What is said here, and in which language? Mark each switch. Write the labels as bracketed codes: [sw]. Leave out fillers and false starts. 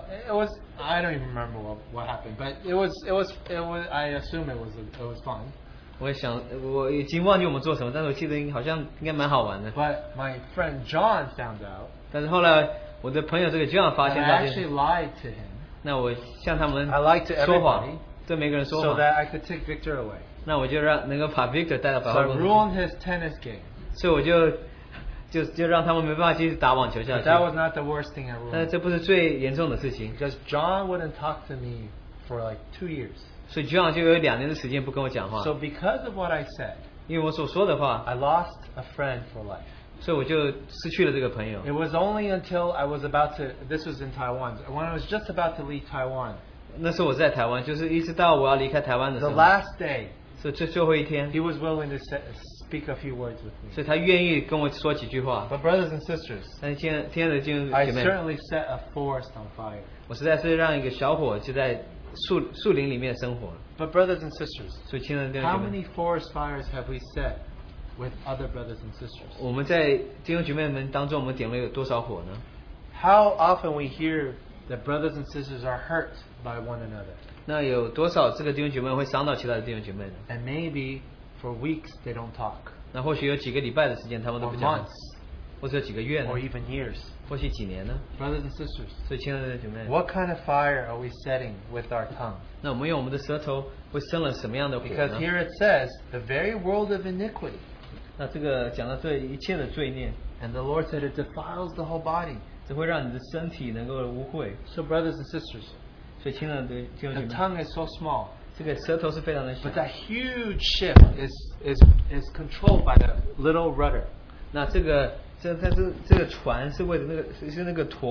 [en] It was, I don't even remember what happened, but it was I assume it was fun. [zh] 我也想我已经忘记我们做什么，但是我记得好像应该蛮好玩的。 [en] But my friend John found out. [zh] 但是后来我的朋友这个John发现， [en] I actually lied to him. [zh] 那我向他们说谎, [en] I lied to everybody. [zh] 对每个人说谎, [en] so that I could take Victor away. [zh] 那我就能够把Victor带到白宫。 [en] So I ruined his tennis game. [zh] 所以我就 就让他们没办法继续打网球下去。 [en] That was not the worst thing I ruined. [zh] 但是这不是最严重的事情。 [en] Because John wouldn't talk to me for like 2 years. [zh] 所以John就有两年的时间不跟我讲话。 [en] So because of what I said, [zh] 因为我所说的话, [en] I lost a friend for life. [zh] 所以我就失去了这个朋友。 [en] It was only until I was about to, this was in Taiwan, when I was just about to leave Taiwan. [zh] 那时候我在台湾, 就是一直到我要离开台湾的时候, [en] the last day, [zh] 是最后一天, [en] he was willing to speak a few words with me. [zh] 所以他愿意跟我说几句话。 [en] But brothers and sisters, [zh] 但是亲爱的弟兄姐妹, [en] I certainly set a forest on fire. [zh] 我实在是让一个小伙就在 树林里面生活, [en] but brothers and sisters, [zh] 所以亲爱的弟兄姐妹, [en] how many forest fires have we set with other brothers and sisters? [zh] 我们在弟兄姐妹们当中我们点了有多少火呢? [en] How often we hear that brothers and sisters are hurt by one another? [zh] 那有多少这个弟兄姐妹会伤到其他的弟兄姐妹呢? [en] And maybe for weeks they don't talk. [zh] 那或许有几个礼拜的时间他们都不讲话。或者几个月呢? [en] Or even years. [zh] 或许几年呢? [en] Brothers and sisters, [zh] 所以亲爱的姐妹, [en] what kind of fire are we setting with our tongue? [zh] 那我们用我们的舌头会生了什么样的火呢? [en] Because here it says, the very world of iniquity. [zh] 那这个讲到这一切的罪孽, [en] and the Lord said it defiles the whole body. [zh] 这会让你的身体能够污秽。 [en] So brothers and sisters, [zh] 所以亲爱的弟兄姐妹, [en] the tongue is so small. [zh] 这个舌头是非常的小, [en] but that huge ship is controlled by the little rudder. [zh] 那这个, 这个船是为了那个,